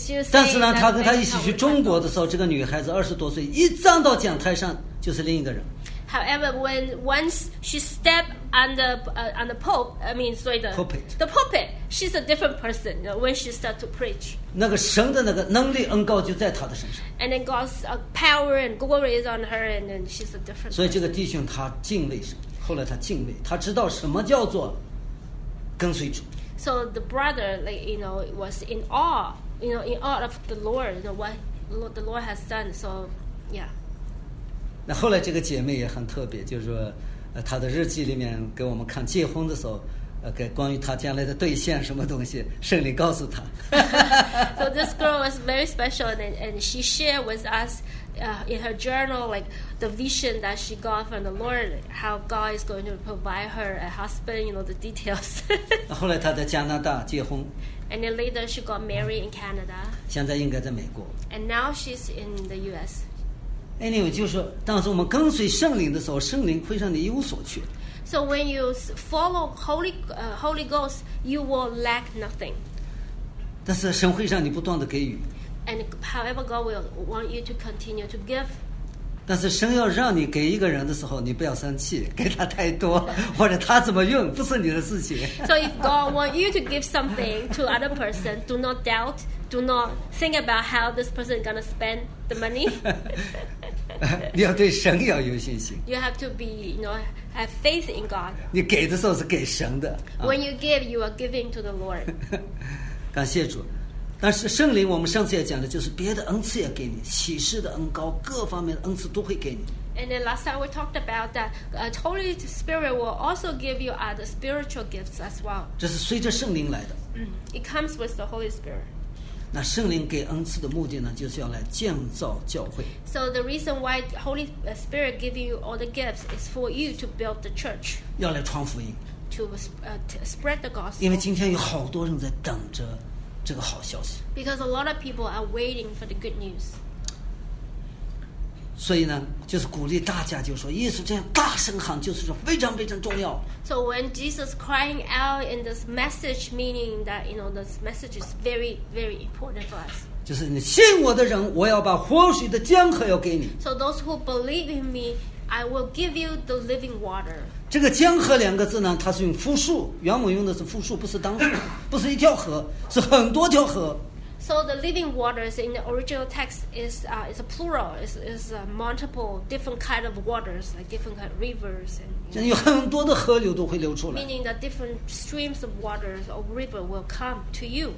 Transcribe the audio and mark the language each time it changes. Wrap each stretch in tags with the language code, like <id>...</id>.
<zh>但是呢，他跟他一起去中国的时候，这个女孩子二十多岁，一站到讲台上就是另一个人。</zh> <en>However, when once she stepped on the pope, I mean, sorry, the pulpit, she's a different person. You know, when she started to preach,</en> <zh>那个神的那个能力恩膏就在她的身上。</zh> <en>And then God's power and glory is on her, and then she's a different.</en> <zh>所以这个弟兄他敬畏神，后来他敬畏，他知道什么叫做跟随主。</zh> <en>So the brother, like you know, was in awe, you know, in awe of the Lord, you know, what the Lord has done. So, yeah.</en> <zh>那后来这个姐妹也很特别，就是说，她的日记里面给我们看结婚的时候，给关于她将来的对象什么东西，圣灵告诉她。</zh> <en>So this girl was very special, and she shared with us, in her journal, like the vision that she got from the Lord, how God is going to provide her a husband, you know, the details.</en> <zh>后来她在加拿大结婚。</zh> <en>And then later she got married in Canada.</en> <zh>现在应该在美国。</zh> <en>And now she's in the U.S.</en> <zh>Anyway, 就是当时我们跟随圣灵的时候，圣灵会让你一无所缺。</zh> <en>So when you follow Holy Ghost, you will lack nothing.</en> <zh>但是神会让你不断的给予。</zh> <en>And however God will want you to continue to give.</en> <zh>但是神要让你给一个人的时候，你不要生气，给他太多，或者他怎么用，不是你的事情。</zh> <en>So if God want you to give something to other person, do not doubt, do not think about how this person is going to spend the money.</en> <zh>你要对神要有信心。</zh> <en>You have to be, you know, have faith in God.</en> <zh>你给的时候是给神的。</zh> <en>When you give, you are giving to the Lord.</en> <zh>感谢主。但是圣灵，我们上次也讲的，就是别的恩赐也给你，启示的恩膏，各方面的恩赐都会给你。</zh> <en>And then last time we talked about that, Holy Spirit will also give you other spiritual gifts as well.</en> <zh>这是随着圣灵来的。</zh> <en>It comes with the Holy Spirit.</en> <zh>那圣灵给恩赐的目的呢，就是要来建造教会。</zh> <en>So the reason why Holy Spirit giving you all the gifts is for you to build the church.</en> <zh>要来传福音。</zh> <en>To spread the gospel.</en> <zh>因为今天有好多人在等着这个好消息。</zh> <en>Because a lot of people are waiting for the good news.</en> <zh>所以呢，就是鼓励大家，就是说耶稣这样大声喊，就是说非常非常重要。</zh> <en>So when Jesus crying out in this message, meaning that you know this message is very, very important for us.</en> <zh>就是你信我的人，我要把活水的江河要给你。</zh> <en>So those who believe in me, I will give you the living water.</en> <zh>这个江河两个字呢，它是用复数，原文用的是复数，不是单数，不是一条河，是很多条河。</zh> <en>So the living waters in the original text is a plural, is a multiple different kind of waters, like different kind of rivers. And, you know, meaning that different streams of waters or river will come to you.</en>